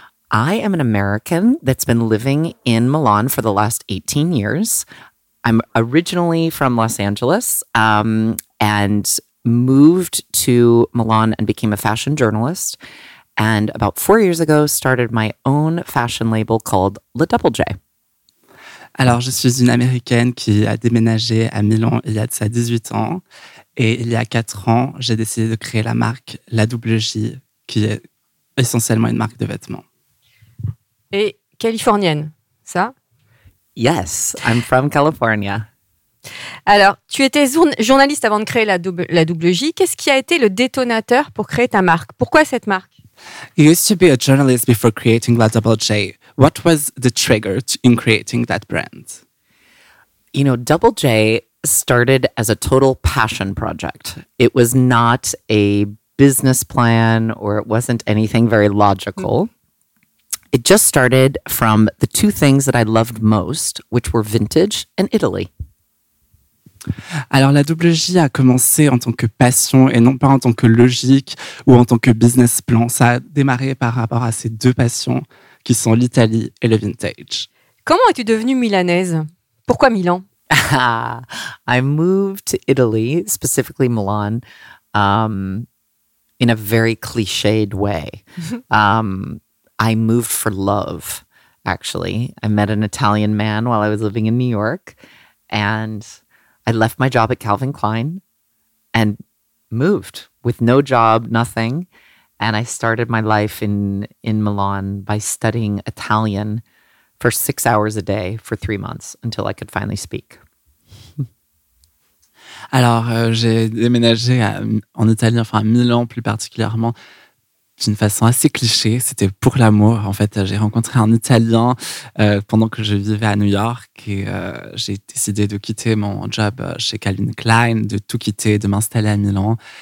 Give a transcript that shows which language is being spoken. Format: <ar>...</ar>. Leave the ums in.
<en>I am an American that's been living in Milan for the last 18 years. I'm originally from Los Angeles um, and moved to Milan and became a fashion journalist. And about four years ago, started my own fashion label called La Double J.</en> <fr>Alors, je suis une Américaine qui a déménagé à Milan il y a de 18 ans. Et il y a 4 ans, j'ai décidé de créer la marque La Double J, qui est essentiellement une marque de vêtements. Et californienne, ça</fr> <en>Yes, I'm from California.</en> <fr>Alors, tu étais journaliste avant de créer la double J. Qu'est-ce qui a été le détonateur pour créer ta marque Pourquoi cette marque</fr> <en>You used to be a journalist before creating la double J. what was the trigger in creating that brand? You know, Double J started as a total passion project. It was not a business plan or it wasn't anything very logical. It just started from the two things that I loved most, which were vintage and Italy.</en> <fr>Alors, la double J a commencé en tant que passion et non pas en tant que logique ou en tant que business plan. Ça a démarré par rapport à ces deux passions qui sont l'Italie et le vintage. Comment es-tu devenue milanaise Pourquoi Milan</fr> <en>I moved to Italy, specifically Milan, um, in a very cliched way. um, I moved for love, actually. I met an Italian man while I was living in New York, and I left my job at Calvin Klein and moved with no job, nothing and I started my life in in Milan by studying Italian for 6 hours a day for 3 months until I could finally speak.</en> <fr>Alors, euh, j'ai déménagé à, en Italie, enfin à Milan plus particulièrement, d'une façon assez cliché. C'était pour l'amour. En fait, j'ai rencontré un Italien pendant que je vivais à New York et j'ai décidé de quitter mon job chez Calvin Klein, de tout quitter, de m'installer à Milan.</fr>